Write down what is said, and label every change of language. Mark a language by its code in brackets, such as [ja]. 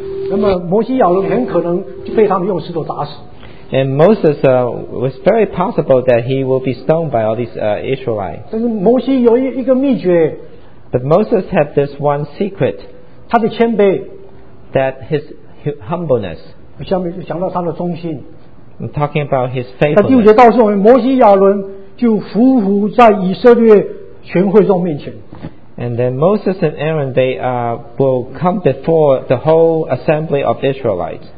[zh] 那么摩西亚人很可能就被他们用石头打死。 [en] And Moses was very possible that he will be stoned by all these Israelites. [zh] 但是摩西有一个秘诀。 [en] But Moses had this one secret. [zh] 他的谦卑。 [en] That his humbleness. [zh] 下面就讲到他的忠心。 [en] I'm talking about his faithfulness. [zh] 他第五节告诉我们，摩西亚伦就匍匐在以色列全会众面前。 [en] And then Moses and Aaron they will come before the whole assembly of Israelites.